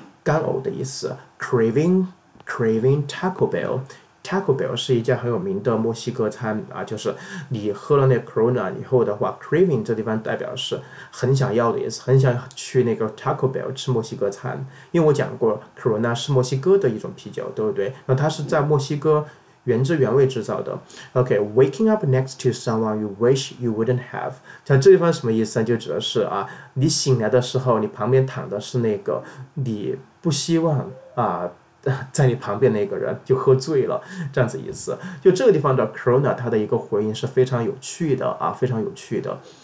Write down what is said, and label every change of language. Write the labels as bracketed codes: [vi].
[zh] 干呕的意思 craving Taco Bell， Taco Bell 是一家很有名的墨西哥餐啊，就是你喝了那 Corona 以后的话， craving 这地方代表是很想要的意思，很想去那个 Taco Bell 吃墨西哥餐，因为我讲过 Corona 是墨西哥的一种啤酒，对不对？那它是在墨西哥原汁原味制造的。 [en] OK， waking up next to someone you wish you wouldn't have， [zh] 像这地方什么意思呢？就指的是啊，你醒来的时候你旁边躺的是那个你不希望啊在你旁边那个人，就喝醉了，这样子意思。就这个地方的 corona 它的一个回应是非常有趣的啊，非常有趣的。